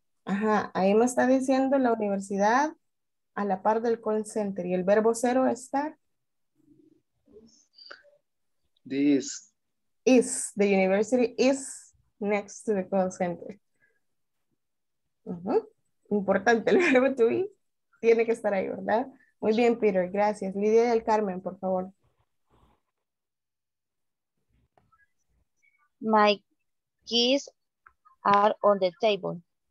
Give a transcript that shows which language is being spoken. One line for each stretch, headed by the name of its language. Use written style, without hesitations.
Spanish: Ajá, ahí me está diciendo la universidad a la par del call center. ¿Y el verbo cero estar?
English: This. Is. The university is next to the call center. Uh-huh.
Spanish: Importante, el verbo to be tiene que estar ahí, ¿verdad? Muy bien, Peter, gracias. Lidia del Carmen, por favor.
English: My keys are on the table.